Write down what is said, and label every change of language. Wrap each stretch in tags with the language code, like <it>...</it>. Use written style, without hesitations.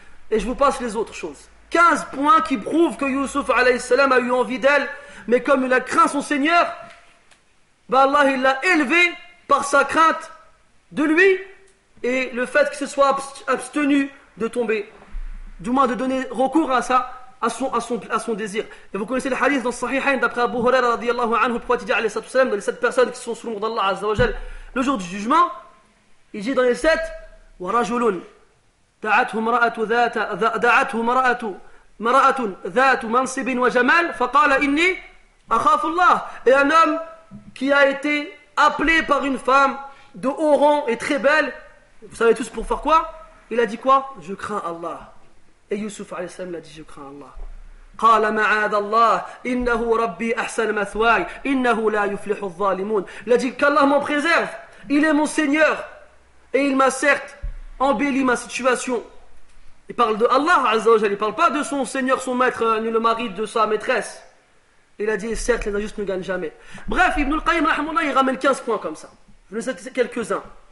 <fr>Et je vous passe les autres choses. 15 points qui prouvent que Youssouf alayhi salam a eu envie d'elle, mais comme il a craint son Seigneur, ben Allah il l'a élevé par sa crainte de lui et le fait qu'il se soit abstenu de tomber, du moins de donner recours à ça, à son désir. Et vous connaissez le hadith dans Sahihain d'après Abu Huraira radiallahu anhu, le prophète dit alayhi salatu wassalam, dans les 7 personnes qui sont sous l'ombre d'Allah azza wa jal, le jour du jugement, il dit dans les 7, wa rajulun.</fr> <ar>دعته امرأة ذات دعته امرأة ذات منصب وجمال فقال إني أخاف الله.</ar> <fr>Et un homme qui a été appelé par une femme de haut rang et très belle, vous savez tous pour faire quoi? Il a dit quoi? Je crains Allah. Et Youssouf عليه السلام l'a dit, je crains Allah.</fr> <ar>قال معاذ الله إنه ربي أحسن مثواي إنه لا يفلح الظالمون.</ar> <fr>Il a dit qu'Allah m'en préserve. Il est mon Seigneur et il m'a certes embellit ma situation. Il parle de Allah Azza wa Jalla, il ne parle pas de son Seigneur, son maître, ni le mari de sa maîtresse. Il a dit, certes, les injustes ne gagnent jamais. Bref, Ibn al-Qayyim, rahimahullah, il ramène 15 points comme ça. Je vous laisse quelques-uns.</fr>